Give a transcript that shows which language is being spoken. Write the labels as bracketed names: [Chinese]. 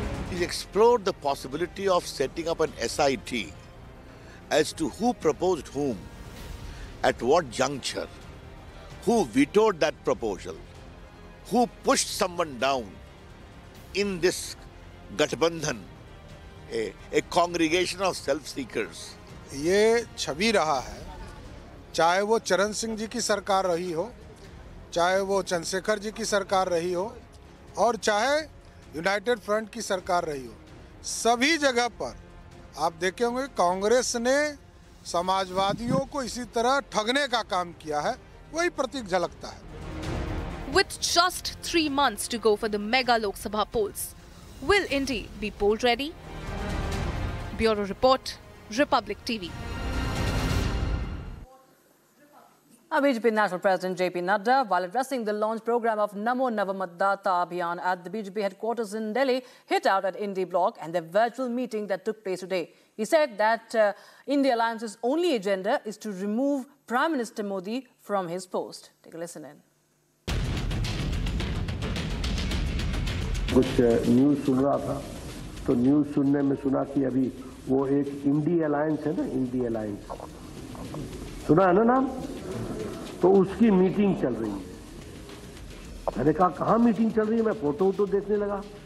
[English] He's explored the possibility of setting up an SIT as to who proposed whom, at what juncture, who vetoed that proposal, who pushed someone down in this Gathbandhan, a congregation of self-seekers. [Hindi] Ye chhavi raha hai. चाहे वो चरण सिंह जी की सरकार रही हो, चाहे वो चंद्रशेखर जी की सरकार रही हो, और चाहे यूनाइटेड फ्रंट की सरकार रही हो, सभी जगह पर आप देखे होंगे कांग्रेस ने समाजवादियों को इसी तरह ठगने का काम किया है, वही प्रतीक झलकता है। [English] With just 3 months to go for the mega Lok Sabha polls, will Indy be poll ready? Bureau report, Republic TV. BJP National President J.P. Nadda, while addressing the launch program of Namo Navamatdata Abhiyan at the BJP headquarters in Delhi, hit out at Indy Block and the virtual meeting that took place today. He said that India Alliance's only agenda is to remove Prime Minister Modi from his post. Take a listen in. [Hindi] कुछ news सुन रहा था, तो news सुनने में सुना कि अभी वो एक India Alliance है ना, India Alliance. सुना है ना नाम? तो उसकी मीटिंग चल रही है. मैंने कहा कहाँ मीटिंग चल रही है, मैं फोटो तो देखने लगा.